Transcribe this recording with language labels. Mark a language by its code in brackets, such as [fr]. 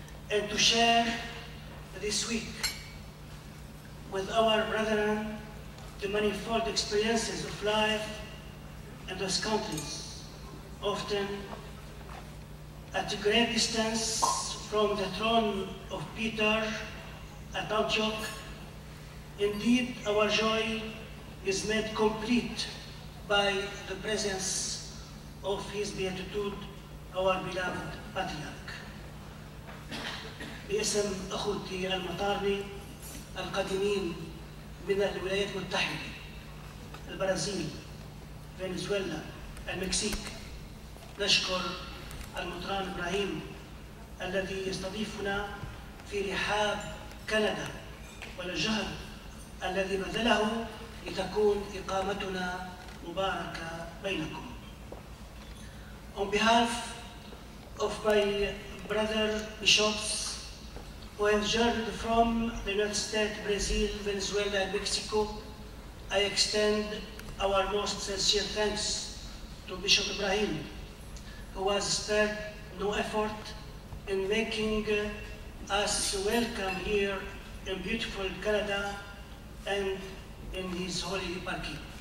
[en] and to share this week with our brethren the manifold experiences of life and those countries, often at a great distance from the throne of Peter at Antioch. Indeed, our joy is made complete by the presence of His Beatitude, our beloved Patriarch. [ar] باسم أخوتي المطارني القديمين من الولايات المتحدة، البرازيل، فنزويلا، المكسيك، نشكر المطران إبراهيم الذي يستضيفنا في رحاب كندا والجهد الذي بذله لتكون إقامتنا مباركة بينكم. [en] On behalf of my brother bishops who have journeyed from the United States, Brazil, Venezuela, and Mexico, I extend our most sincere thanks to Bishop Ibrahim, who has spared no effort in making us welcome here in beautiful Canada and in his holy parish.